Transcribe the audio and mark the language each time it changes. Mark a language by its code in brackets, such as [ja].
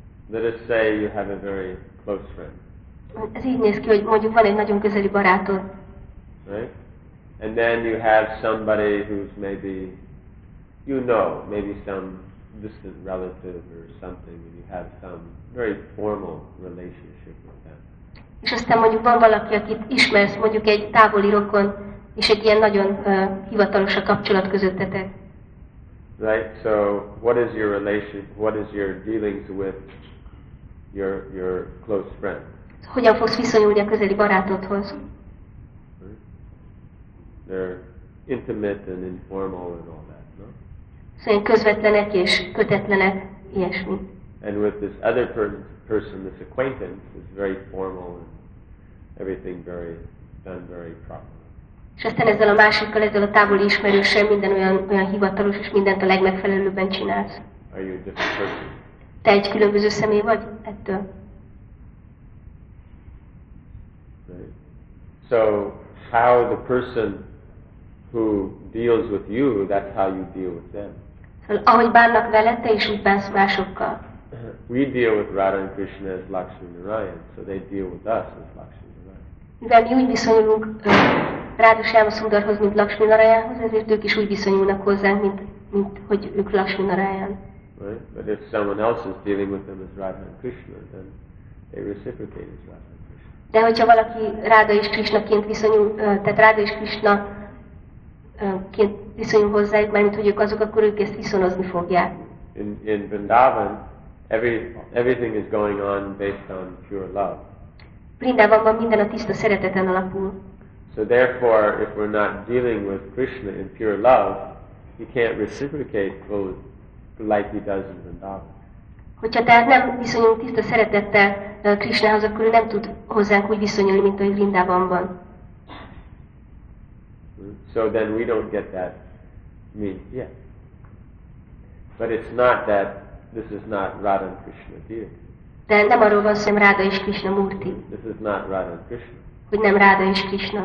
[en] Let us say you have a very close friend. [hu] Ez így néz ki, hogy mondjuk van egy nagyon közeli barátod. [en] Right? And then you have somebody who's maybe, you know, maybe some distant relative or something, and you have some very formal relationship with them. [hu] És aztán mondjuk van valaki, akit ismersz, mondjuk egy távoli rokon, és egy ilyen nagyon hivatalos a kapcsolat közöttetek. [en] Right? So what is your relationship, what is your dealings with your close friend? [hu] Hogyan fogsz viszonyulni a közeli barátodhoz? [en] They're intimate and informal and all that, no? [hu] Szóval közvetlenek és kötetlenek, ilyesmi. [en] And with this other person, this acquaintance, is very formal and everything very done very properly. [hu] És aztán ezzel a másikkal, ezzel a távoli ismerőssel minden olyan hivatalos, és mindent a legmegfelelőbben csinálsz. [en] Are you a different person? [hu] Te egy különböző személy vagy ettől? [en] So how the person who deals with you, that's how you deal with them. [hu] Ahogy bánnak veled, te is úgy bánsz másokkal. [en] We deal with Radha and Krishna as Lakshmi Narayan, so they deal with us as Lakshmi Narayan. [hu] Mivel mi úgy viszonyulunk Radha Shyama Sundarhoz, mint Lakshmi Narayanhoz, ezért ők is úgy viszonyulnak hozzánk, mint hogy ők Lakshmi Narayan. [en] Right? But if someone else is dealing with them as Radha and Krishna, then they reciprocate as Radha and Krishna. [hu] De hogyha valaki Radha és Krishnaként viszonyul, tehát Radha és Krishna ként viszonyul hozzájuk, mert hogy ők azok, akkor ők ezt viszonozni fogják. [en] In Vrindavan, everything is going on based on pure love. [hu] Vrindavanban minden a tiszta szereteten alapul. [en] So therefore, if we're not dealing with Krishna in pure love, he can't reciprocate fully like he does in Vrindavan. [hu] Hogyha tehát nem viszonyulunk tiszta szeretettel Krishnahoz, akkor ő nem tud hozzánk úgy viszonyulni, mint ahogy Vrindavanban. [en] So then we don't get that mean, yeah. But it's not that this is not Radha and Krishna deity. [hu] De nem arról van szó, Radha és Krishna murti. [en] This is not Radha and Krishna. [hu] Hogy nem Radha és Krishna.